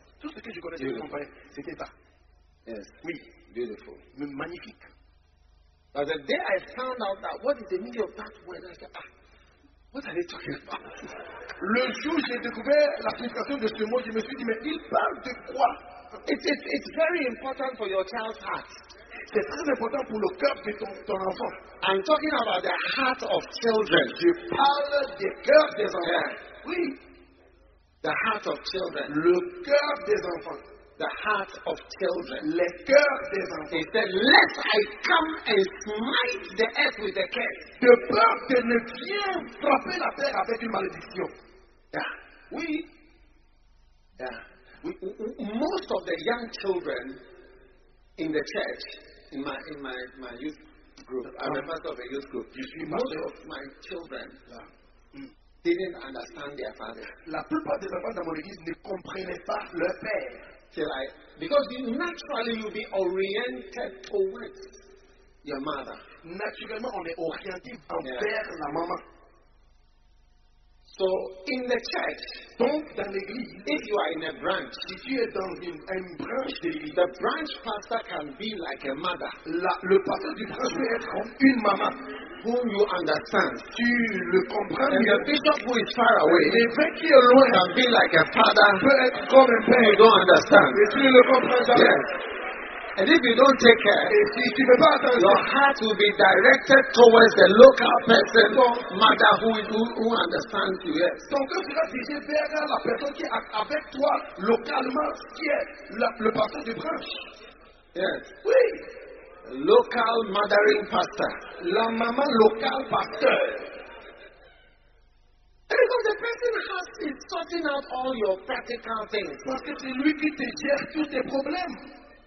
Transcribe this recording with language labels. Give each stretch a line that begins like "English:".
French: Tout ce que je connaissais de mon père, c'était ça.
English: Yes.
French: Oui.
English: Beautiful.
French: Mais magnifique.
English: But the day I found out that what is the meaning of that word, I said, what are they talking about?
French: Le jour j'ai découvert la signification de ce mot, je me suis dit, mais il parle de quoi?
English: It's very important for your child's heart.
French: C'est très important pour le cœur de ton enfant.
English: I'm talking about the heart of children.
French: Je parle des cœurs des enfants.
English: Oui. The heart of children.
French: Le cœur des enfants.
English: The heart of children.
French: Le cœur des enfants.
English: He said, lest I come and smite the earth with a curse.
French: De peur de ne bien frapper la terre avec une malédiction.
English: Yeah.
French: Oui.
English: Yeah. Most of the young children in the church, in my youth group, I'm a pastor of a youth group. You see, most of my children didn't understand their father.
French: La plupart des enfants dans mon église ne comprenaient pas leur père.
English: Till I, because you naturally you'll be oriented towards your mother.
French: Naturellement, on est orienté envers la maman.
English: So in the church,
French: donc dans l'église,
English: if you are in a branch,
French: si tu es dans une branche d'église,
English: the branch pastor can be like a mother.
French: Le pasteur du branch peut être comme une maman.
English: Whom you understand.
French: Tu le comprends.
English: And the bishop who is far away,
French: l'évêque qui est loin,
English: can be like a father.
French: Peut être comme un père.
English: You don't understand.
French: Et tu le comprends jamais.
English: Yes. And if you don't take care,
French: si tu pas attendre,
English: your heart will be directed towards the local person, mother who understands you. Yes.
French: Ton cœur sera dirigé vers la personne qui est avec toi localement, qui est le pasteur du branche.
English: Yes.
French: Oui.
English: Local mothering pastor.
French: La maman local pasteur.
English: Because the person has is sorting out all your practical things.
French: Parce que c'est lui qui te gère tous tes problèmes.